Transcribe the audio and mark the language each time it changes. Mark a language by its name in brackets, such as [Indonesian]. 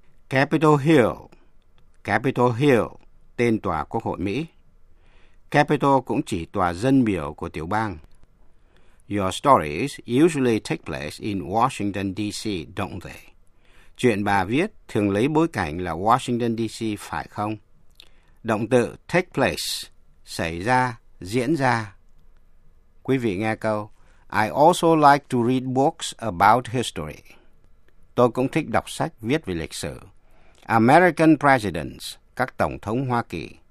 [Vietnamese] Capitol Hill, Capitol Hill, tên tòa quốc hội Mỹ. Capitol cũng chỉ tòa dân biểu của tiểu bang. [English] Your stories usually take place in Washington, D.C., don't they? [Vietnamese] Chuyện bà viết thường lấy bối cảnh là Washington, D.C., phải không? Động từ take place, xảy ra, diễn ra. Quý vị nghe câu, [English] I also like to read books about history. [Vietnamese] Tôi cũng thích đọc sách viết về lịch sử. [English] American presidents, [Vietnamese] các tổng thống Hoa Kỳ.